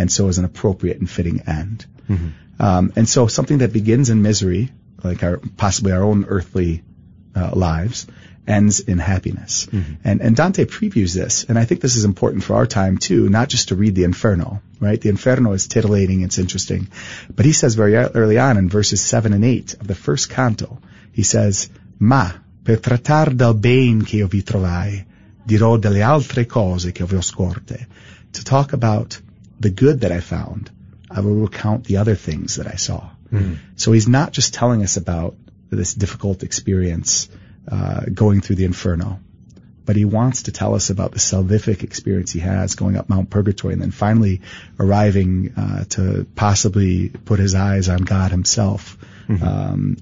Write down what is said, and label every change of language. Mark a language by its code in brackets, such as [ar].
[en] and so is an appropriate and fitting end. Mm-hmm. And so something that begins in misery, like possibly our own earthly lives, ends in happiness. Mm-hmm. And Dante previews this, and I think this is important for our time too, not just to read the Inferno, right? The Inferno is titillating, it's interesting. But he says very early on in verses 7 and 8 of the first canto, he says, [it] ma per trattar del bene che io vi trovai, dirò delle altre cose che vi ho scorte. [en] To talk about the good that I found, I will recount the other things that I saw. Mm-hmm. So he's not just telling us about this difficult experience going through the Inferno, but he wants to tell us about the salvific experience he has going up Mount Purgatory and then finally arriving to possibly put his eyes on God himself mm-hmm.